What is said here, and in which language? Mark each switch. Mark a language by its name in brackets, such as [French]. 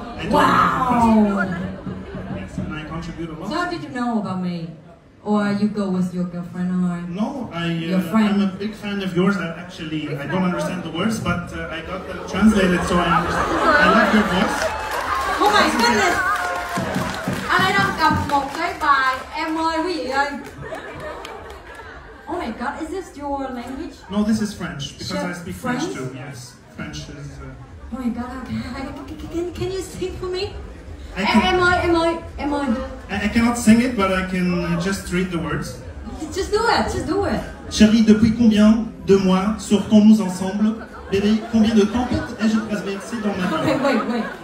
[English] Wow. Yes, and I contribute a lot. So how did you know about me? Or you go with your girlfriend or no, I, your friend? No, I'm a big fan of yours. I don't understand the words, but I got them translated, so I understand. I like your voice. Oh my goodness! [Vietnamese] Anh ấy đang cầm một cái bài. Em ơi, quý vị ơi. [English] Oh my God, is this your language? No, this is French, because I speak French too. Yes, French is... Oh my God, can you sing for me? Am I? I cannot sing it, but I can just read the words. Just do it. [French] Chérie, depuis combien de mois sortons-nous ensemble? Bébé, combien de temps ai-je traversé dans ma vie?